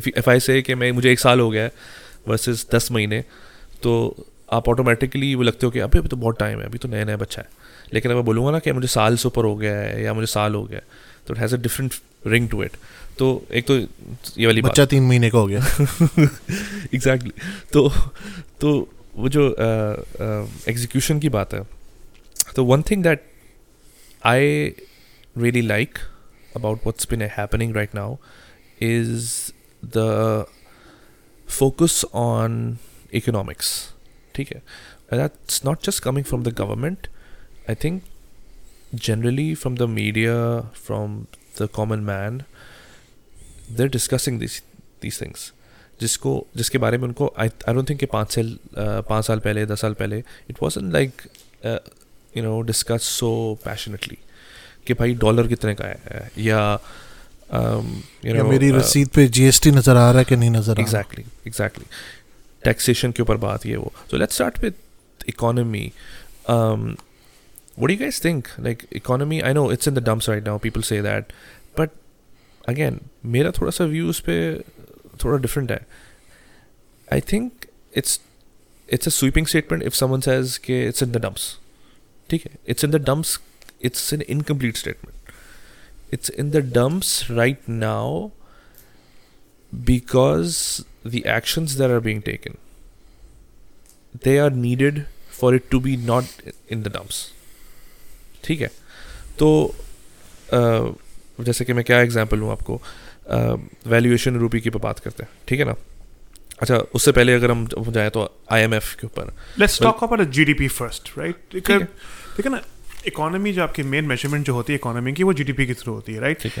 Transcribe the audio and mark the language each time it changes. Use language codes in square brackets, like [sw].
[ur] F آئی سے کہ میں مجھے ایک سال ہو گیا ہے ورسز 10 مہینے, تو آپ آٹومیٹکلی وہ لگتے ہو کہ ابھی تو بہت ٹائم ہے, ابھی تو نیا نیا بچہ ہے. لیکن اب میں بولوں گا نا کہ مجھے سال سے اوپر ہو گیا ہے یا مجھے سال ہو گیا ہے تو [en] It has a different rang to it. [ur] تو ایک تو یہ والی بچہ 3 مہینے کا ہو گیا, [en] Exactly. [ur] تو وہ جو ایگزیکیوشن کی بات ہے, [en] تو one thing that I really like about what's been happening right now is the focus on economics, [ur] theek hai, [en] and that's not just coming from the government, I think generally from the media, from the common man, they're discussing these things [ur] jiske bare mein unko [en] I don't think ke 5 saal pehle 10 saal pehle it wasn't like you know discussed so passionately [ur] ke bhai dollar kitne ka hai ya میری رسید پہ جی S T نظر آ رہا ہے کہ نہیں نظر آ رہا. [en] exactly taxation [ur] کے اوپر بات یہ وہ. [en] So let's start with economy. What you guys think like economy, I know it's in the dumps right now, people say that, but again [ur] میرا تھوڑا سا ویو اس پہ تھوڑا ڈفرینٹ ہے. [en] I think it's a sweeping statement of someone says کہ it's in the dumps, [ur] ٹھیک ہے. [en] It's in the dumps, it's an incomplete statement. It's in the dumps right now because the actions that are being taken, they are needed for it to be not in the dumps. [ur] ٹھیک ہے. تو جیسے کہ میں کیا example ہوں آپ کو, ویلیویشن روپی کی بات کرتے ہیں, ٹھیک ہے نا. اچھا اس سے پہلے اگر ہم جائیں تو آئی ایم ایف کے اوپر, [en] Let's talk about G D P first, right. [ur] دیکھیں نا, اکانمی جو آپ کی مین میجرمنٹ جو ہوتی ہے اکانمی کی, وہ جی ڈی پی کے تھرو ہوتی ہے, رائٹ.